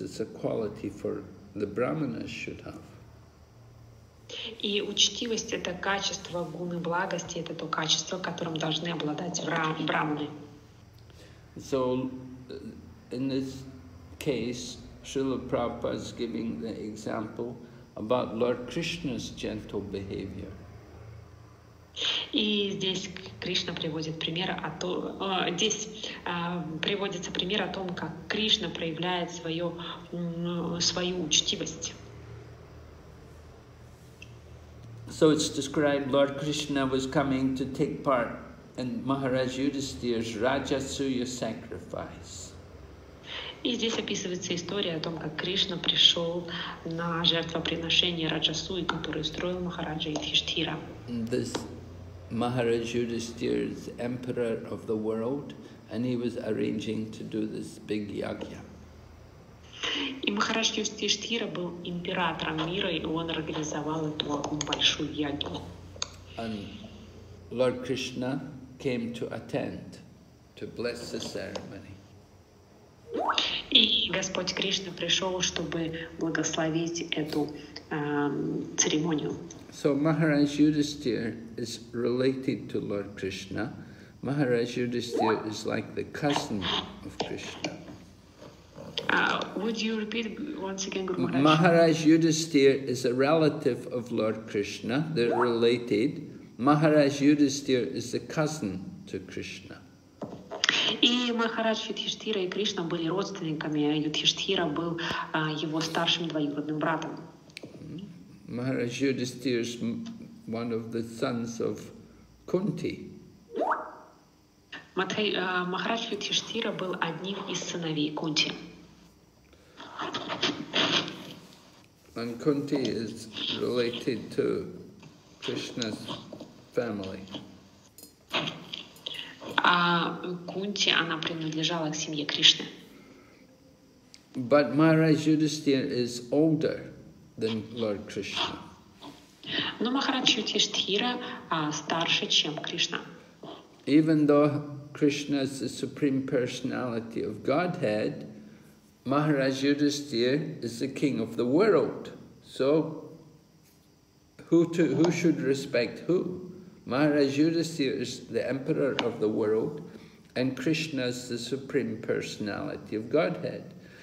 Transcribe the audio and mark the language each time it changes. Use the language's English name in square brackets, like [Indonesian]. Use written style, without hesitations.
[English] It's a quality for the Brahmanas should have. [Russian] И учтивость — это качество гуны благости, это то качество, которым должны обладать брахманы. [English] So in this case, Srila Prabhupada is giving the example about Lord Krishna's gentle behavior. [Russian] И здесь Кришна приводит пример о том, здесь приводится пример о том, как Кришна проявляет свою учтивость. [English] So it's described Lord Krishna was coming to take part in Maharaj Yudhisthira's Rajasuya sacrifice. [Russian] И здесь описывается история о том, как Кришна пришел на жертвоприношение Раджасуи, который устроил Махараджа Юдхиштхира. [English] This Maharaj Yudhisthira is emperor of the world, and he was arranging to do this big yagya. [Russian] И Махарадж Юдхиштхира был императором мира, и он организовал эту большую ягью. [English] And Lord Krishna came to attend, to bless the ceremony. [Russian] И Господь Кришна пришел, чтобы благословить эту церемонию. [English] So Maharaj Yudhisthira is related to Lord Krishna. Maharaj Yudhisthira is like the cousin of Krishna. Would you repeat once again, Guru Maharaj? Maharaj Yudhisthira is a relative of Lord Krishna. They're related. Maharaj Yudhisthira is the cousin to Krishna. [Russian] И Махарадж Юдхиштхира и Кришна были родственниками. Юдхиштхира был его старшим двоюродным братом. [English] Махарадж Юдхиштхира is one of the sons of Кунти. [Russian] Махарадж Юдхиштхира был одним из сыновей Кунти. [English] And Kunti is related to Krishna's family. [Russian] А Кунти, она принадлежала к семье Кришны. [English] But Maharaj Yudhisthira is older than Lord Krishna. [Russian] Но Махарадж Юдхиштхира старше, чем Кришна. [English] Even though Krishna is the Supreme Personality of Godhead, Maharaj Yudhisthira is the king of the world. So, who should respect who? Maharaj Yudhisthira is the emperor of the world, and Krishna is the Supreme Personality of Godhead.